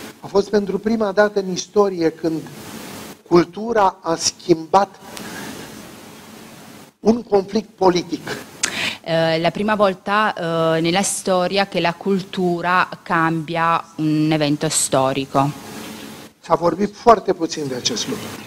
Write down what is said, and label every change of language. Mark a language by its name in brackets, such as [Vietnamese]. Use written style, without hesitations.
[Romanian] A fost pentru prima dată în istorie când cultura a schimbat un conflict politic. [Italian] La prima volta nella storia che la cultura cambia un evento storico. [Romanian] S-a vorbit foarte puțin de acest lucru.